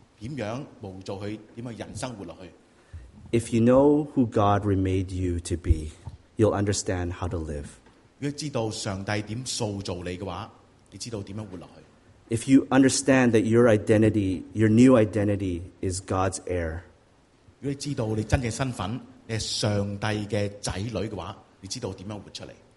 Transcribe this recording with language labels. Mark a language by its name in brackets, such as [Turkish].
[Chinese] 怎么样无助她, 怎么样人生活下去? [English] If you know who God remade you to be, you'll understand how to live. [Chinese] 如果知道上帝怎么塑造你的话, 你知道怎么样活下去? [English] If you understand that your identity, your new identity, is God's heir, [Chinese] 如果知道你真的身份, 你是上帝的子女的话, 你知道怎么样活出来?